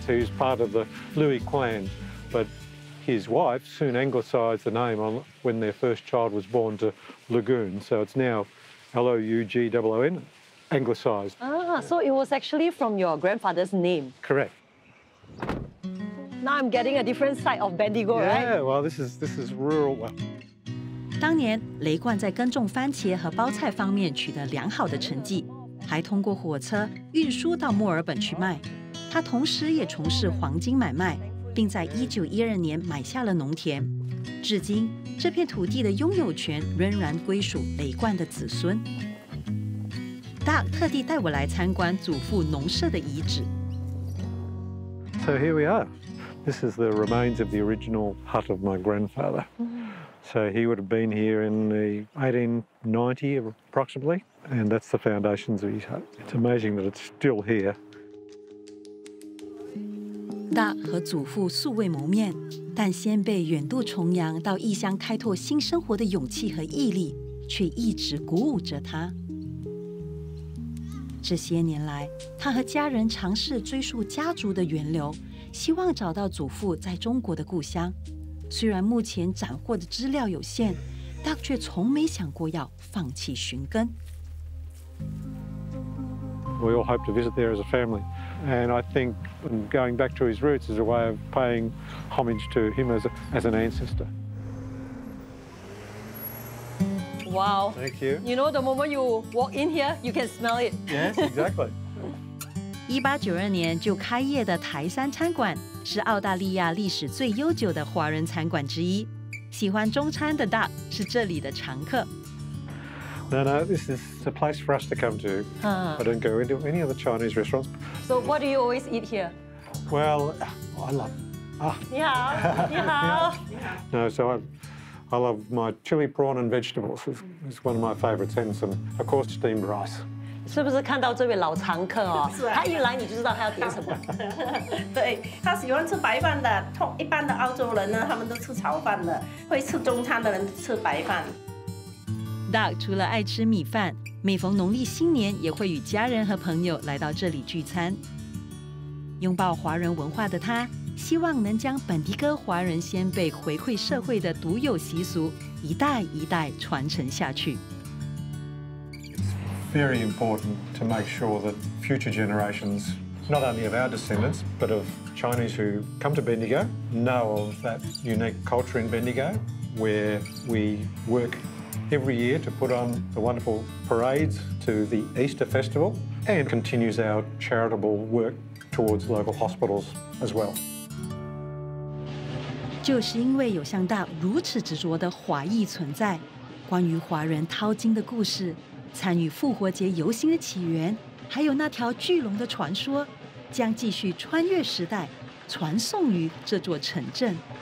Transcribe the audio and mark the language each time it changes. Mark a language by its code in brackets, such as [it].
[en] So he was part of the Louis clan. But his wife soon anglicised the name on when their first child was born to Lagoon. So it's now L-O-U-G-O-O-N, anglicised. Ah, so it was actually from your grandfather's name? Correct. Now I'm getting a different side of Bendigo, yeah, right? Yeah, well, this is rural. Well, [zh] 当年雷冠在耕种番茄和包菜方面取得良好的成绩，还通过火车运输到墨尔本去卖。他同时也从事黄金买卖，并在1912年买下了农田。至今，这片土地的拥有权仍然归属雷冠的子孙。 Doug 特地带我来参观祖父农舍的遗址。 [en] So here we are. This is the remains of the original hut of my grandfather. So he would have been here in the 1890 approximately, and that's the foundations of his hut. It's amazing that it's still here. [zh] Da 和祖父素未谋面，但先辈远渡重洋到异乡开拓新生活的勇气和毅力，却一直鼓舞着他。这些年来，他和家人尝试追溯家族的源流，希望找到祖父在中国的故乡。虽然目前斩获的资料有限，但却从没想过要放弃寻根。 [en] We all hope to visit there as a family, and I think going back to his roots is a way of paying homage to him as an ancestor. Wow! Thank you. You know, the moment you walk in here, you can smell it. Yes, exactly. [zh] 1892年就开业的台山餐馆。是澳大利亚历史最悠久的华人餐馆之一。喜欢中餐的 Doug 是这里的常客。 [en] No, this is a place for us to come to. I don't go into any other Chinese restaurants. So what do you always eat here? Well, I love. [zh] 你好，你好。 [en] No, so I, I love my chili prawn and vegetables. It's one of my favorites, and some, of course, steamed rice. [zh] 是不是看到这位老常客哦？他一来你就知道他要点什么。对，他喜欢吃白饭的，一般的澳洲人呢，他们都吃炒饭的，会吃中餐的人吃白饭。 Doug 除了爱吃米饭，每逢农历新年也会与家人和朋友来到这里聚餐。拥抱华人文化的他，希望能将本迪戈华人先辈回馈社会的独有习俗一代一代传承下去。 [en] It's very important to make sure that future generations, not only of our descendants, but of Chinese who come to Bendigo, know of that unique culture in Bendigo, where we work every year to put on the wonderful parades to the Easter festival, and continues our charitable work towards local hospitals as well. [zh] 就是因为有像大如此执着的华裔存在，关于华人淘金的故事、参与复活节游行的起源，还有那条巨龙的传说，将继续穿越时代，传颂于这座城镇。